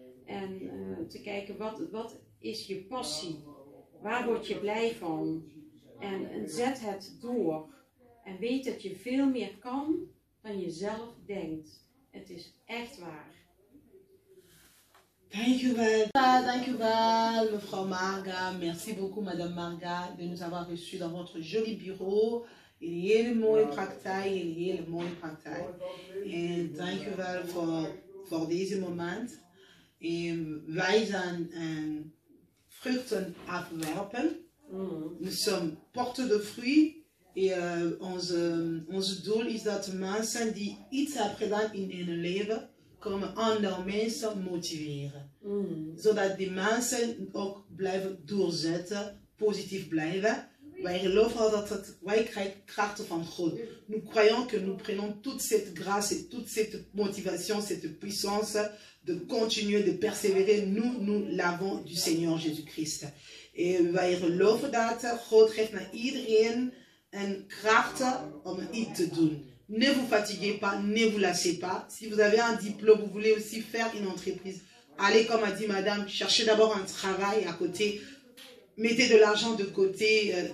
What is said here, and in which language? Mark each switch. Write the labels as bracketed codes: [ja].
[nl] En te kijken wat is je passie? Waar word je blij van? En zet het door. En weet dat je veel meer kan dan je zelf denkt. Het is echt waar. Dank u wel, mevrouw Marga. [fr] Merci beaucoup, madame Marga, de nous avoir reçu dans votre joli bureau. [nl] Une hele mooie praktijk, une hele mooie praktijk. Et dank u wel voor deze moment. En wij zijn vruchten afwerpen. [fr] Nous sommes porte de fruits. [nl] Et onze doel is dat mensen die iets hebben gedaan in hun leven, komen andere mensen motiveren. Zodat die mensen ook blijven doorzetten, positief blijven. Wij geloven dat het, wij krijgen krachten van God. [fr] Nous croyons que nous prenons toute cette grâce et toute cette motivation, cette puissance de continuer, de persévérer. Nous l'avons du Seigneur Jésus-Christ. [nl] Et wij geloven dat God geeft naar iedereen een kracht om iets te doen. [fr] Ne vous fatiguez pas, ne vous lassez pas. Si vous avez un diplôme, vous voulez aussi faire une entreprise. Allez, comme a dit madame, cherchez d'abord un travail à côté. Mettez de l'argent de côté.